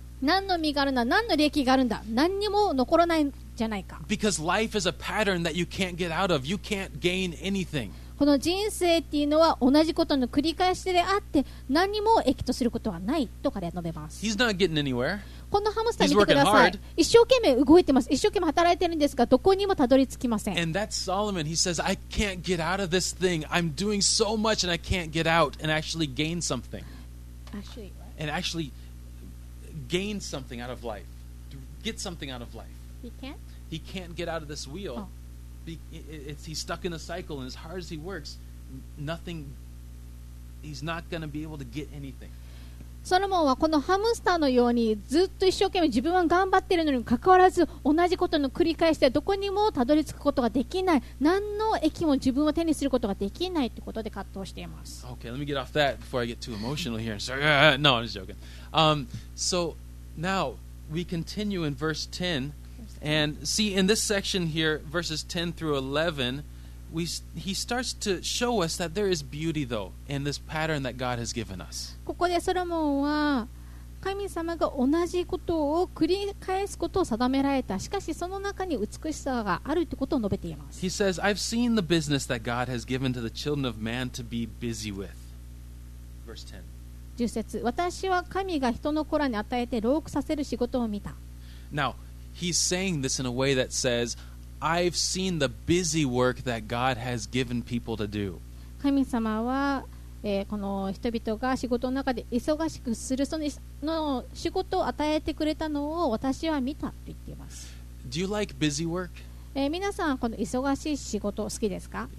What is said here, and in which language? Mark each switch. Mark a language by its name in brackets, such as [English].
[Japanese] 何の実があるんだ、何の利益があるんだ、何にも残らないじゃないか。 [English] Because life is a pattern that you can't get out of. You can't gain anything. [Japanese] この人生っていうのは同じことの繰り返しであって何も益とすることはないと彼は述べます。 [English] He's not getting anywhere. [Japanese] このハムスター見てください。一生懸命動いてます。一生懸命働いてるんですがどこにもたどり着きません。 [English] And that's Solomon. He says, I can't get out of this thing. I'm doing so much and I can't get out and actually gain something. Actually gain something out of life. He can't get out of this wheel. He's stuck in a cycle, and as hard as he works, nothing. He's not going to be able to get anything. [Japanese] ソロモンはこのハムスターのようにずっと一生懸命自分は頑張っているのにかかわらず同じことの繰り返しでどこにもたどり着くことができない。何の益も自分は手にすることができないということで葛藤しています。 [English] Okay, let me get off that before I get too emotional here. No, I'm just joking. So now we continue in verse 10. And see, in this section here, verses 10 through 11, he starts to show us that there is beauty, though, in this pattern that God has given us. [Japanese] ここでソロモンは神様が同じことを繰り返すことを定められた。しかしその中に美しさがあるということを述べています。 [English] He says, I've seen the business that God has given to the children of man to be busy with. Verse 10. [Japanese] 10節、私は神が人の子らに与えて労苦させる仕事を見た。 [English] Now,He's saying this in a way that says, I've seen the busy work that God has given people to do. [Japanese] 神様は、この人々が仕事の中で忙しくするその仕事を与えてくれたのを私は見たと言っています。 [English] Do you like busy work? [Japanese] 皆さんこの忙しい仕事好きですか?